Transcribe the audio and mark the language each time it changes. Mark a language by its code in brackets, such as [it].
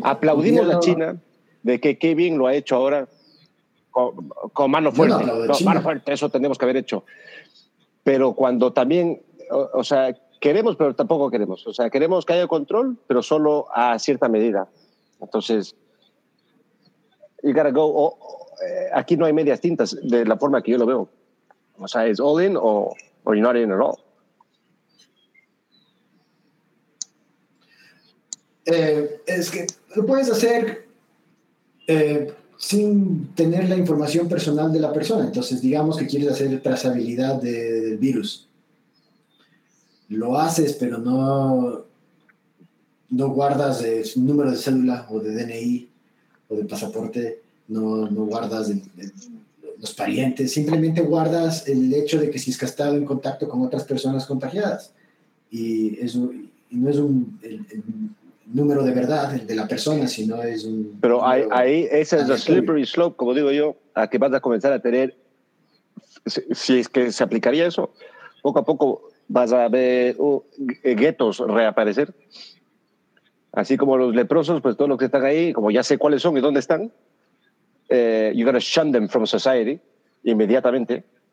[es] aplaudimos a China de que qué bien lo ha hecho ahora con mano fuerte. Eso tenemos que haber hecho. Pero cuando también, o sea, queremos, pero tampoco queremos. O sea, queremos que haya control, pero solo a cierta medida. Entonces... [en] You gotta go. [es] Aquí no hay medias tintas de la forma que yo lo veo. O sea, es [en] all in [es] o [en] you're not in at all. [es] Es que lo puedes hacer sin tener la información personal de la persona. Entonces, digamos que quieres hacer trazabilidad del virus. Lo haces, pero no guardas el número de cédula o de DNI o de pasaporte. No guardas los parientes, simplemente guardas el hecho de que si es que has estado en contacto con otras personas contagiadas y no es el número de verdad el de la persona, sino es un... Pero ahí ese es el slippery slope, como digo yo, a que vas a comenzar a tener, si es que se aplicaría eso, poco a poco vas a ver guetos reaparecer, así como los leprosos, pues todos los que están ahí, como ya sé cuáles son y dónde están. [en] You're going to shun them from society inmediatamente.